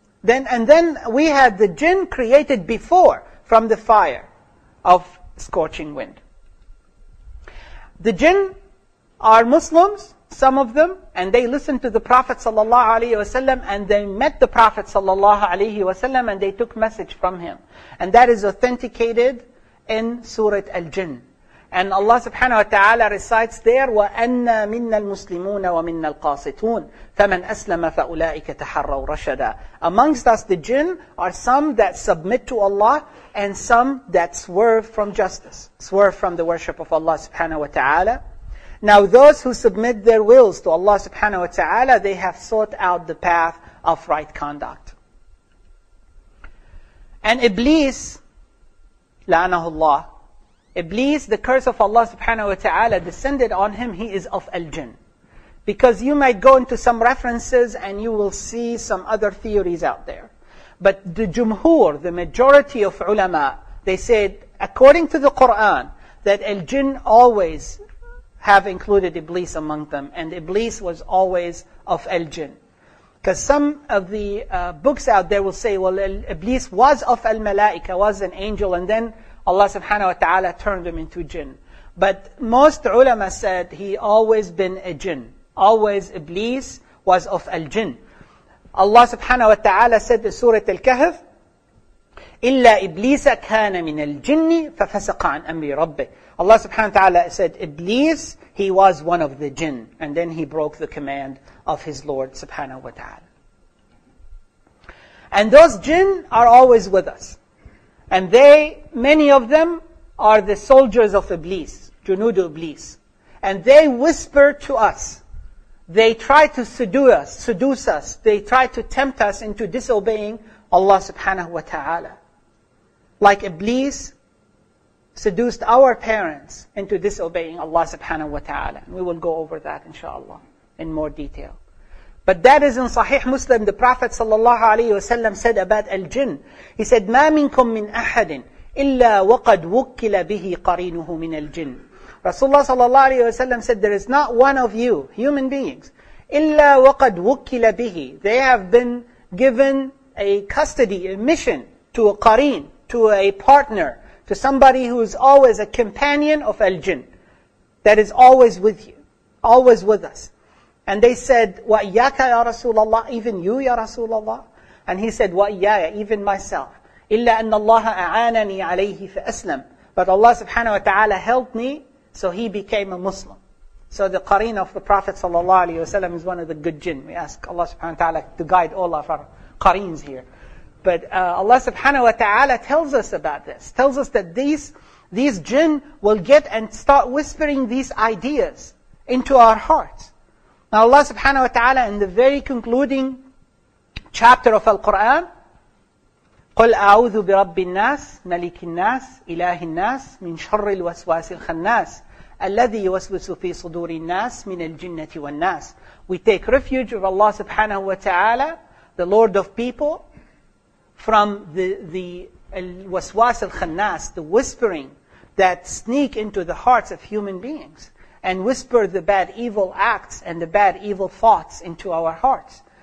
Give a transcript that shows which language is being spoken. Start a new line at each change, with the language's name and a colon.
English: Then we had the jinn created before from the fire of scorching wind. The jinn are Muslims, some of them, and they listened to the Prophet sallallahu alaihi wasallam, and they met the Prophet sallallahu alaihi wasallam, and they took message from him. And that is authenticated in Surah Al-Jinn. And Allah subhanahu wa ta'ala recites there,
Arabic: وَأَنَّا مِنَّا الْمُسْلِمُونَ وَمِنَّا الْقَاسِتُونَ فَمَنْ أَسْلَمَ فَأُولَٰئِكَ تَحَرَّوْا رَشَدًا.
English: Amongst us, the jinn are some that submit to Allah and some that swerve from justice, swerve from the worship of Allah subhanahu wa ta'ala. Now those who submit their wills to Allah subhanahu wa ta'ala, they have sought out the path of right conduct. And Iblis,
Arabic: لَعَنَهُ اللَّهُ,
English: Iblis, the curse of Allah subhanahu wa ta'ala descended on him, he is of al-jinn. Because you might go into some references and you will see some other theories out there. But the jumhur, the majority of ulama, they said, according to the Quran, that al-jinn always have included Iblis among them. And Iblis was always of al-jinn. Because some of the books out there will say, well, Iblis was of al-malaika, was an angel, and then Allah subhanahu wa ta'ala turned him into jinn. But most ulama said he always been a jinn. Always Iblis was of al-jinn. Allah subhanahu wa ta'ala said in Surah Al-Kahf,
Arabic: إِلَّا إِبْلِيسَ كَانَ مِنَ الْجِنِّ فَفَسَقَ عَنْ أَمْرِ رَبِّهِ.
English: Allah subhanahu wa ta'ala said, Iblis, he was one of the jinn. And then he broke the command of his Lord subhanahu wa ta'ala. And those jinn are always with us. And they, many of them, are the soldiers of Iblis, Junudu Iblis. And they whisper to us. They try to seduce us. They try to tempt us into disobeying Allah subhanahu wa ta'ala. Like Iblis seduced our parents into disobeying Allah subhanahu wa ta'ala. We will go over that, inshallah, in more detail. But that is in Sahih Muslim, the Prophet sallallahu alayhi wa sallam said about al-jinn. He said,
Arabic: مَا مِنْكُمْ مِنْ أَحَدٍ إِلَّا وَقَدْ وُكِّلَ بِهِ قَرِينُهُ مِنَ الْجِنِّ.
English: Rasulullah sallallahu alayhi wa sallam said, there is not one of you, human beings,
Arabic: إِلَّا وَقَدْ وُكِّلَ بِهِ.
English: They have been given a custody, a mission to a qareen, to a partner, to somebody who is always a companion of al-jinn, that is always with you, always with us. And they said,
Arabic: وَإِيَّاكَ يَا رَسُولَ اللَّهِ.
English: Even you,
Arabic: يَا رَسُولَ اللَّهِ.
English: And he said,
Arabic: وَإِيَّايَ.
English: Even myself.
Arabic: إِلَّا أَنَّ اللَّهَ أَعَانَنِي عَلَيْهِ فَأَسْلَمْ.
English: But Allah subhanahu wa ta'ala helped me, so he became a Muslim. So the qareen of the Prophet sallallahu alayhi wasallam is one of the good jinn. We ask Allah subhanahu wa ta'ala to guide all of our qareens here. But Allah subhanahu wa ta'ala tells us about this. Tells us that these These jinn will get and start whispering these ideas into our hearts. Now Allah subhanahu wa ta'ala in the very concluding chapter of Al-Quran,
Arabic: قُلْ أَعُوذُ بِرَبِّ النَّاسِ مَلِكِ النَّاسِ إِلَهِ النَّاسِ مِنْ شَرِّ الْوَسْوَاسِ الْخَنَّاسِ الَّذِي يُوَسْوِسُ فِي صُدُورِ النَّاسِ مِنَ الْجِنَّةِ وَالنَّاسِ.
English: We take refuge of Allah subhanahu wa ta'ala, the Lord of people, from the
Arabic: الْوَسْوَاسِ الْخَنَّاسِ,
English: the whispering that sneak into the hearts of human beings and whisper the bad evil acts and the bad evil thoughts into our hearts.